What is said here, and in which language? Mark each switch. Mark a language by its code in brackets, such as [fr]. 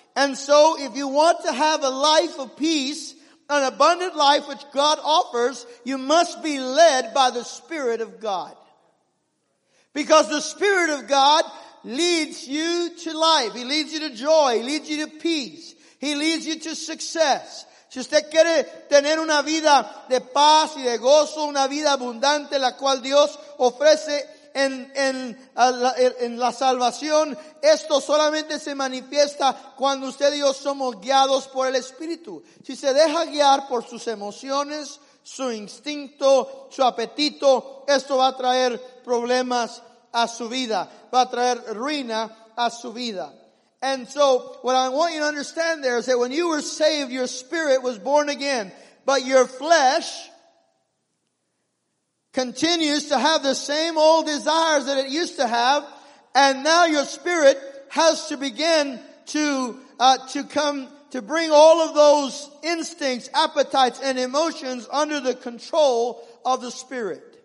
[en] And so if you want to have a life of peace, an abundant life which God offers, you must be led by the Spirit of God. Because the Spirit of God leads you to life. He leads you to joy. He leads you to peace. He leads you to success. [es] Si usted quiere tener una vida de paz y de gozo, una vida abundante, la cual Dios ofrece en la salvación, esto solamente se manifiesta cuando usted y yo somos guiados por el Espíritu. Si se deja guiar por sus emociones, su instinto, su apetito, esto va a traer problemas a su vida, va a traer ruina a su vida. [en] And so, what I want you to understand there is that when you were saved, your spirit was born again, but your flesh continues to have the same old desires that it used to have, and now your spirit has to begin to bring all of those instincts, appetites, and emotions under the control of the Spirit.